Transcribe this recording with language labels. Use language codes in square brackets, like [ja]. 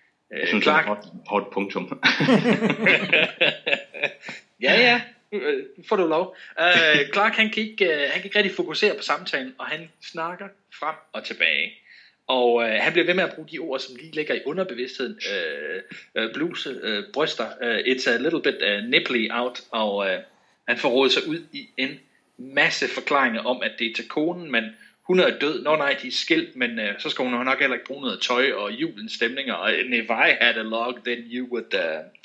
[da] Jeg synes, Clark, det er hot punktum. Ja. Får du lov. Clark, han kan ikke rigtig fokusere på samtalen, og han snakker frem og tilbage. Og han bliver ved med at bruge de ord, som lige ligger i underbevidstheden. Bluse, bryster, [en] it's a little bit nipply out. [da] Og han får rådet sig ud i en masse forklaringer om, at det er til konen, men hun er død. Nå nej, de er skilt, men så skal hun nok heller ikke bruge noget tøj og julens stemninger. [en] And if I had a log, then you would...